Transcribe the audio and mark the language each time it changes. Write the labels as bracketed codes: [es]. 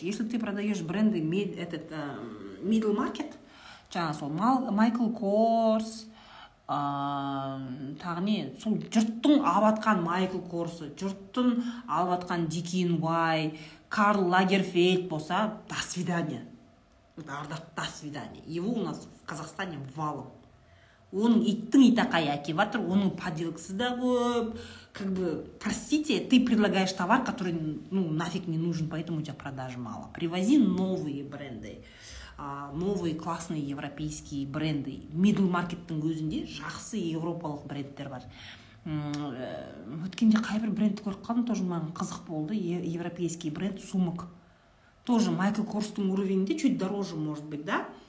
[ru] Если ты продаешь бренды этот [kk] middle market, жаңа сол Michael Kors, тағы не, сол жұрттың алыватқан Michael Kors, жұрттың алыватқан DKNY, Karl Lagerfeld болса, [ru] до свидания. Ардақ, до свидания. Его у нас в Казахстане валом. [kk] Оның иттің итақай әкеп атыр, оның поделкісі да көп. [ru] Как бы, простите, ты предлагаешь товар, который ну, нафиг не нужен, поэтому у тебя продажи мало. Привози новые бренды, новые классные европейские бренды. [kk] Middle маркеттің өзінде жақсы европалық брендтер бар. Өткенде қайбір бренд көріп қалдым, тоже маған қызық болды. [ru] Европейский бренд сумок. Тоже Майкл Корстың уровеньде чуть дороже, может быть, да?